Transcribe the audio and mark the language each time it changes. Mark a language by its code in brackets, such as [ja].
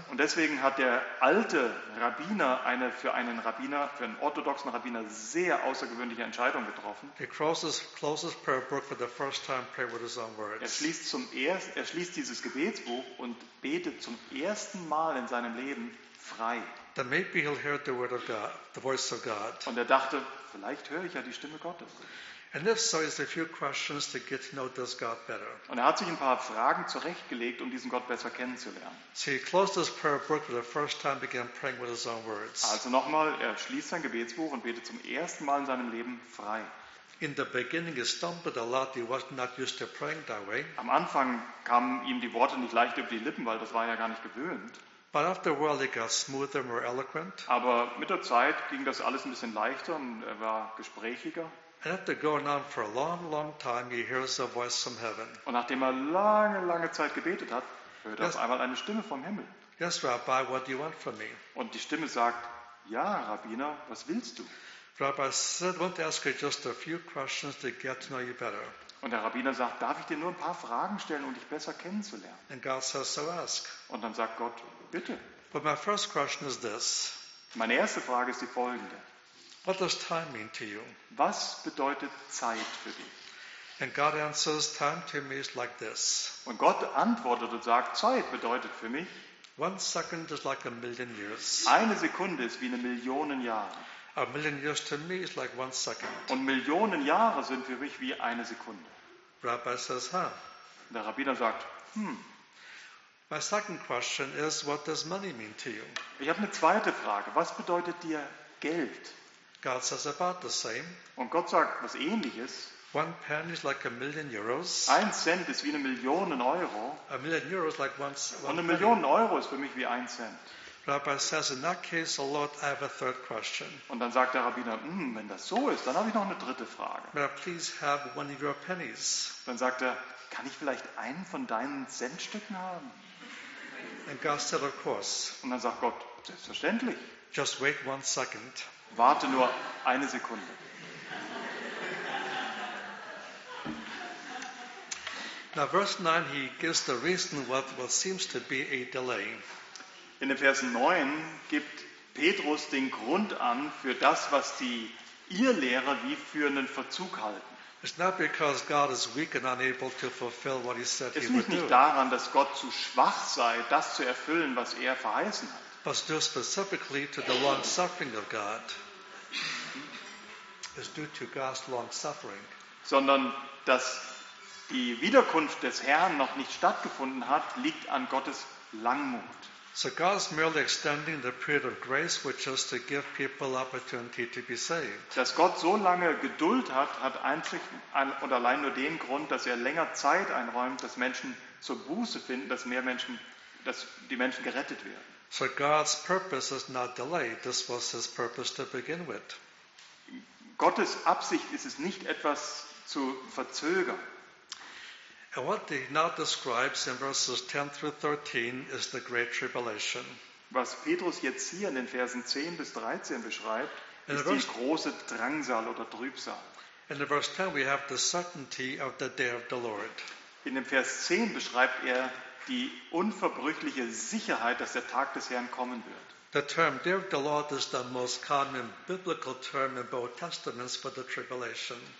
[de] Und deswegen hat der alte Rabbiner eine für einen orthodoxen Rabbiner sehr außergewöhnliche Entscheidung getroffen. [en] He closes prayer book for the first time, pray with his own words. [de] Er schließt dieses Gebetsbuch und betet zum ersten Mal in seinem Leben frei. [en] Then maybe he'll hear the word of God, the voice of God. [de] Und er dachte, vielleicht höre ich ja die Stimme Gottes. [en] And if so, it's a few questions to get to know this God better. [de] Und er hat sich ein paar Fragen zurechtgelegt, um diesen Gott besser kennenzulernen. [en] So he closed his prayer book for the first time, began praying with his own words. [de] Also nochmal, er schließt sein Gebetsbuch und betet zum ersten Mal in seinem Leben frei. [en] In the beginning, he stumbled a lot. He was not used to praying that way. [de] Am Anfang kamen ihm die Worte nicht leicht über die Lippen, weil das war ja gar nicht gewöhnt. [en] But after a while, he got smoother, more eloquent. [de] Aber mit der Zeit ging das alles ein bisschen leichter und er war gesprächiger. [en] And after going on for a long, long time, he hears a voice from heaven. [de] Und nachdem er lange, lange Zeit gebetet hat, hört er auf einmal eine Stimme vom Himmel. [en] Yes, Rabbi, what do you want from me? [de] Und die Stimme sagt, ja, Rabbiner, was willst du? [en] Rabbi said, I want to ask you just a few questions to get to know you better. [de] Und der Rabbiner sagt, darf ich dir nur ein paar Fragen stellen, um dich besser kennenzulernen? [en] And God says to ask. [de] Und dann sagt Gott, bitte. [en] But my first question is this. [de] Meine erste Frage ist die folgende. [en] What does time mean to you? [de] Was bedeutet Zeit für dich? [en] And God answers, time to me is like this. [de] Und Gott antwortet und sagt, Zeit bedeutet für mich, [en] 1 second is like a million years. [de] Eine Sekunde ist wie eine Million Jahre. [en] A million years to me is like 1 second. [de] Und Millionen Jahre sind für mich wie eine Sekunde. [en] Rabbi says, huh. [de] Der Rabbiner sagt, [en] My second question is, what does money mean to you? [de] Ich habe eine zweite Frage. Was bedeutet dir Geld? [en] God says about the same. [de] Und Gott sagt was Ähnliches. [en] 1 penny is like a million euros. [de] 1 cent ist wie eine Million Euro. [en] A million euros is like one cent. [de] Und eine Million Euro ist für mich wie 1 cent. [en] Rabbi says, in that case, oh Lord, I have a third question. [de] Und dann sagt der Rabbiner, wenn das so ist, dann habe ich noch eine dritte Frage. [en] May I please have one of your pennies? [de] Dann sagt er, kann ich vielleicht einen von deinen Centstücken haben? [en] And God said, of course. [de] Und dann sagt Gott, selbstverständlich. [en] Just wait 1 second. [de] Warte nur eine Sekunde. [en] Now, verse 9, he gives the reason what seems to be a delay. [de] In den Versen 9 gibt Petrus den Grund an für das, was die Irrlehrer wie für einen Verzug halten. [en] It's not because God is weak and unable to fulfill what he said he would do. [de] Es liegt nicht daran, dass Gott zu schwach sei, das zu erfüllen, was er verheißen hat. [en] But due specifically to the long suffering of God. It's due to God's long suffering. [de] Sondern dass die Wiederkunft des Herrn noch nicht stattgefunden hat, liegt an Gottes Langmut. [en] So God is merely extending the period of grace, which is to give people opportunity to be saved. [de] Dass Gott so lange Geduld hat, hat einzig und allein nur den Grund, dass er länger Zeit einräumt, dass Menschen zur Buße finden, dass mehr Menschen, dass die Menschen gerettet werden. [en] So God's purpose is not delayed. This was His purpose to begin with. [de] Gottes Absicht ist es nicht, etwas zu verzögern. [en] And what he now describes in verses 10 through 13 is the great tribulation. [de] Was Petrus jetzt hier in den Versen 10 bis 13 beschreibt, ist die große Drangsal oder Trübsal. [en] In verse 10 we have the certainty of the day of the Lord. [de] In dem Vers 10 beschreibt er die unverbrüchliche Sicherheit, dass der Tag des Herrn kommen wird. [en] The term day of the Lord is the most common biblical term in both testaments for the tribulation.